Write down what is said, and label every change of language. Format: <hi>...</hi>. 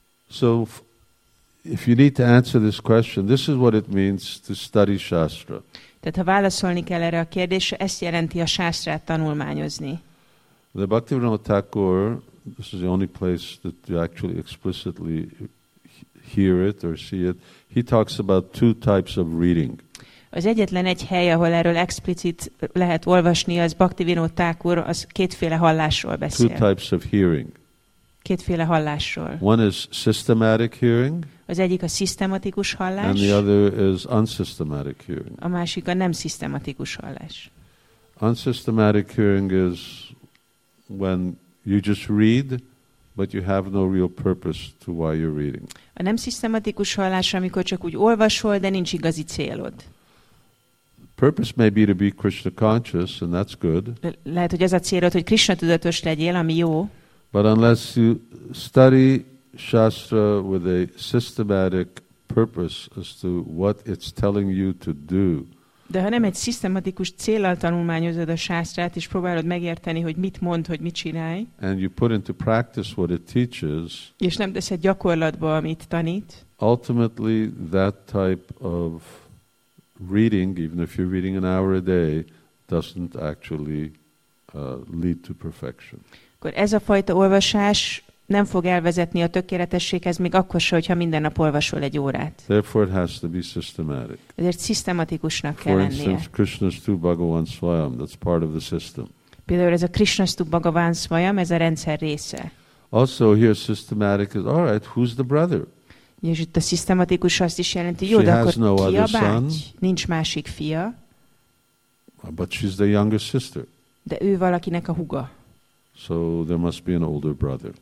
<en>So if you need to answer this question, this is what it means to study Shastra.</en> <hu>Tehát ha válaszolni kell erre a kérdésre, ezt jelenti a sásztrát tanulmányozni.</hu> <en>The Bhaktivinoda Thakur, this is the only place that you actually explicitly hear it or see it, he talks about two types of reading.</en> <hu>Az egyetlen egy hely, ahol erről explicit lehet olvasni, az Bhaktivinoda Thakur, az kétféle hallásról beszél.</hu> <en>Two types of hearing.</en> <hu>Kétféle hallásról.</hu> <en>One is systematic hearing.</en> <hu>Az egyik a szisztematikus hallás.</hu> <en>And the other is unsystematic hearing.</en> <hu>A másik a nem szisztematikus hallás.</hu> <en>Unsystematic hearing is when you just read, but you have no real purpose to why you're reading.</en> <hu>A nem szisztematikus hallás, amikor csak úgy olvasol, de nincs igazi célod.</hu> <en>Purpose may be to be Krishna conscious, and that's good.</en> <hu>Lehet, hogy az a célod, hogy Krishna tudatos legyél, ami jó.</hu> <en>But unless you study Shastra with a systematic purpose as to what it's telling you to do.</en> <hu>De ha nem egy szisztematikus céllal tanulmányozod a sásztrát, és próbálod megérteni, hogy mit mond, hogy mit csinálj.</hu> <en>And you put into practice what it teaches.</en> <hu>És nem teszed gyakorlatba, amit tanít.</hu> <en>Ultimately, that type of reading, even if you're reading an hour a day, doesn't actually lead to perfection.</en> <hu>Akkor ez a fajta olvasás nem fog elvezetni a tökéletességhez, még akkor sem, hogyha minden nap olvasol egy órát.</hu> <en>Therefore it has to be systematic.</en> <hu>Ezért szisztematikusnak kell lennie.</hu> <en>For instance,</en> <sa>Krishnastu Bhagavan Svayam,</sa> <en>that's part of the system.</en> <hu>Például ez a</hu> <sa>Krishnastu Bhagavan Svayam,</sa> <hu>ez a rendszer része.</hu> <en>Also here systematic is, all right, who's the brother?</en> <hu>És itt a szisztematikus azt is jelenti, jó, de akkor no ki a báty? Nincs másik fia.</hu> <en>But she's the younger sister.</en> <hu>De ő valakinek a húga.</hu> <en>So there must be an older brother.</en>